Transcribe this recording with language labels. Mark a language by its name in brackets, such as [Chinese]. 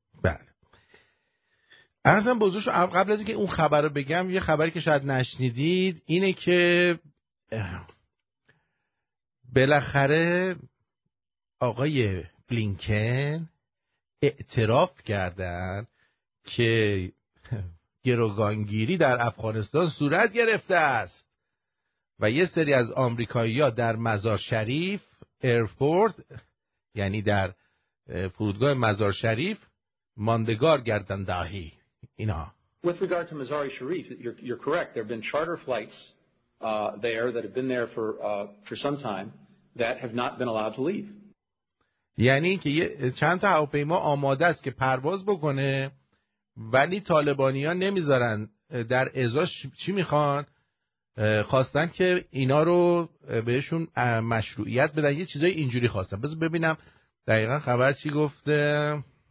[Persian] بله، عرضم بزرگش. قبل از اینکه اون خبر رو بگم، یه خبری که شاید نشنیدید اینه که بالاخره آقای بلینکن اعتراف کردن که گروگانگیری در افغانستان صورت گرفته است. و یه سری از آمریکایی‌ها در مزار شریف ایرپورت یعنی در فرودگاه مزار شریف ماندگار گردند داهی اینا. [English] With regard to Mazar-e Sharif, you're correct. There have been charter flights there that have been there for some time that have not been allowed to leave. [Persian] یعنی که چند تا هواپیما آماده است که پرواز بکنه ولی طالبانی‌ها نمیذارن. در ازاش چی میخوان؟ خواستن که اینا رو بهشون مشروعیت بدن، یه چیزای اینجوری خواستن. بذار ببینم دقیقا خبر چی گفته.